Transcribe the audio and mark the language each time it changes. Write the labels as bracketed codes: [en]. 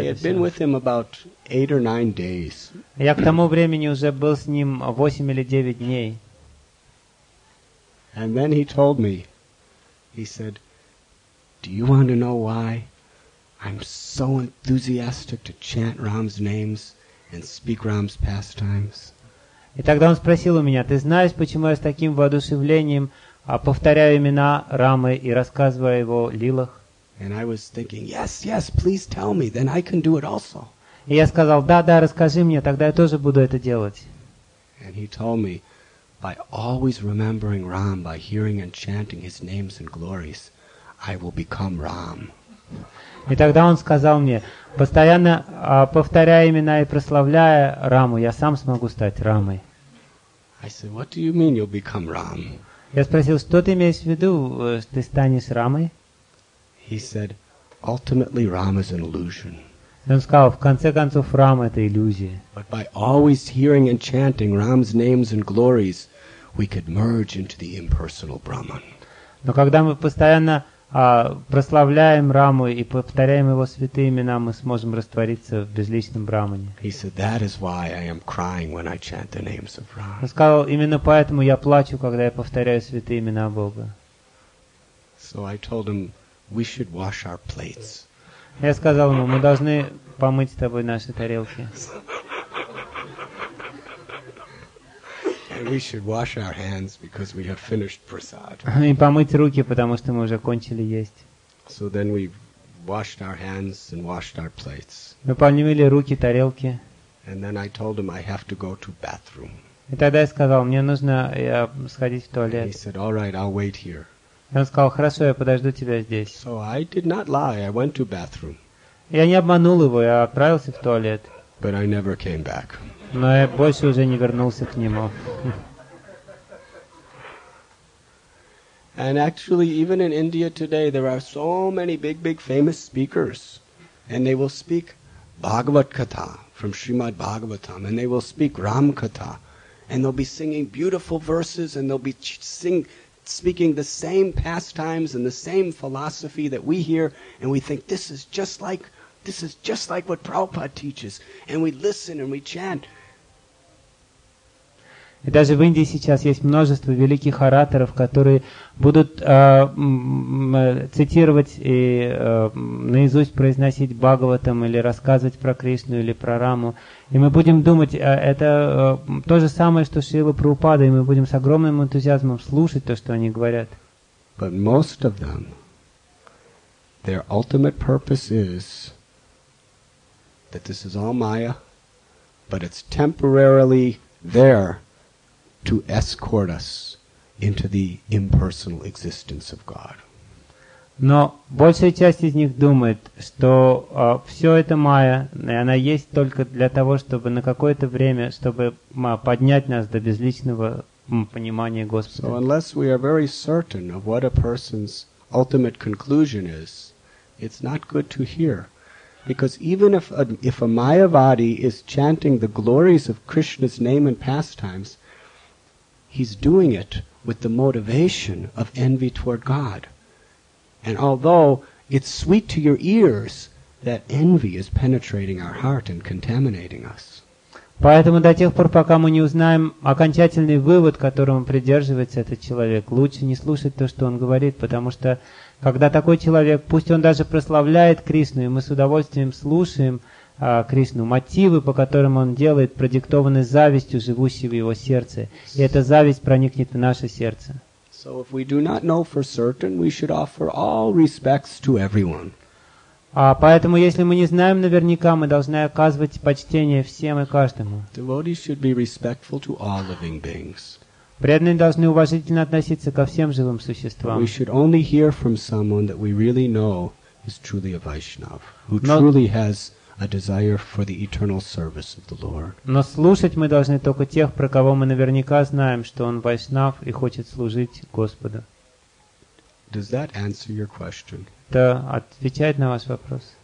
[en] I had been with him about 8 or 9 days. [ru] Я к тому времени уже был с ним 8 или 9 дней. [en] And then he told me, he said, "Do you want to know why I'm so enthusiastic to chant Ram's names and speak Ram's pastimes?" [ru] И тогда он спросил у меня: "Ты знаешь, почему я с таким воодушевлением повторяю имена Рамы и рассказываю о его лилах?" [en] And I was thinking, yes, yes, please tell me, then I can do it also. [ru] И я сказал: "Да, да, расскажи мне, тогда я тоже буду это делать." [en] And he told me, "By always remembering Ram, by hearing and chanting his names and glories, I will become Ram." [ru] И тогда он сказал мне: "Постоянно повторяя имена и прославляя Раму, я сам смогу стать Рамой." [en] I said, "What do you mean you'll become Ram?" [ru] Я спросил: "Что ты имеешь в виду, ты станешь Рамой?" [en] He said, "Ultimately, Rama is an illusion." [ru] Он сказал: "В конце концов, Рама — это иллюзия." [en] But by always hearing and chanting Ram's names and glories, we could merge into the impersonal Brahman. [ru] Но когда мы постоянно прославляем Раму и повторяем его святые имена, мы сможем раствориться в безличном Брамане. [en] He said, "That is why I am crying when I chant the names of Ram." [ru] Он сказал: "Именно поэтому я плачу, когда я повторяю святые имена Бога." [en] So I told him, "We should wash our plates." [ru] Я сказал ему: "Мы должны помыть с тобой наши тарелки." [en] "And we should wash our hands because we have finished prasad." [ru] И помыть руки, потому что мы уже кончили есть. [en] So then we washed our hands and washed our plates. [ru] Мы помыли руки, тарелки. [en] And then I told him I have to go to bathroom. [ru] И тогда я сказал, мне нужно сходить в туалет. [en] And he said, all right, I'll wait here. [ru] И он сказал, хорошо, я подожду тебя здесь. [en] So I did not lie. I went to bathroom. [ru] Я не обманул его, я отправился в туалет. [en] But I never came back. [ru] Но я больше уже не вернулся к нему. [en] And actually, even in India today, there are so many big, big famous speakers. And they will speak Bhagavad Katha from Srimad Bhagavatam. And they will speak Ram Katha. And they'll be singing beautiful verses. And they'll be speaking the same pastimes and the same philosophy that we hear. And we think, this is just like what Prabhupada teaches. And we listen and we chant. [ru] И даже в Индии сейчас есть множество великих ораторов, которые будут цитировать и наизусть произносить Бхагаватам или рассказывать про Кришну или про Раму. И мы будем думать, это то же самое, что Шрила Прабхупада, и мы будем с огромным энтузиазмом слушать то, что они говорят. [en] But most of them, their ultimate purpose is that this is all Maya, but it's temporarily there to escort us into the impersonal existence of God. [ru] Но большая часть из них думает, что все это майя, она есть только для того, чтобы на какое-то время, чтобы поднять нас до безличного понимания Господа. [en] So unless we are very certain of what a person's ultimate conclusion is, it's not good to hear. Because even if a mayavadi is chanting the glories of Krishna's name and pastimes, he's doing it with the motivation of envy toward God. And although it's sweet to your ears, that envy is penetrating our heart and contaminating us. [ru] Поэтому до тех пор, пока мы не узнаем окончательный вывод, которому придерживается этот человек, лучше не слушать то, что он говорит, потому что когда такой человек, пусть он даже прославляет Кришну, и мы с удовольствием слушаем Кришну, мотивы, по которым он делает, продиктованы завистью, живущей в его сердце. И эта зависть проникнет в наше сердце. [en] So if we do not know for certain, we should offer all respects to everyone. [ru] Поэтому, если мы не знаем наверняка, мы должны оказывать почтение всем и каждому. [en] Devotees should be respectful to all living beings. [ru] Преданные должны уважительно относиться ко всем живым существам. [en] We should only hear from someone that we really know is truly a Vaishnav, who truly has a desire for the eternal service of the Lord. [ru] Но слушать мы должны только тех, про кого мы наверняка знаем, что он вайшнав и хочет служить Господу. [en] Does that answer your question? [ru] Это отвечает на ваш вопрос?